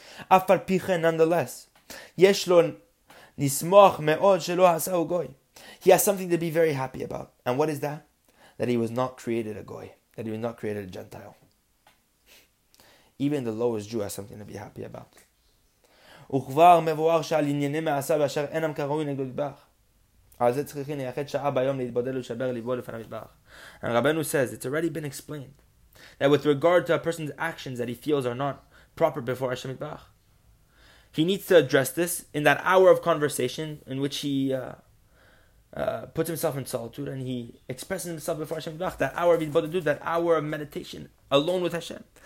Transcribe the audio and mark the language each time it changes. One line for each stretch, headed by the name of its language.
English: Nonetheless, he has something to be very happy about. And what is that? That he was not created a goy, that he was not created a Gentile. Even the lowest Jew has something to be happy about.
Hebrew: וכבר מבואר שעל ענייני מעשה באשר אינם כראוי נגדו יתברך. על זה צריכים לייחד שעה ביום להתבודד ולשבר ליבו לפני המשבח.
English: And Rabbeinu says, it's already been explained that with regard to a person's actions that he feels are not proper before Hashem Yitbarach, he needs to address this in that hour of conversation in which he puts himself in solitude and he expresses himself before Hashem Yitbarach, that hour of Yitbodedut, that hour of meditation alone with Hashem.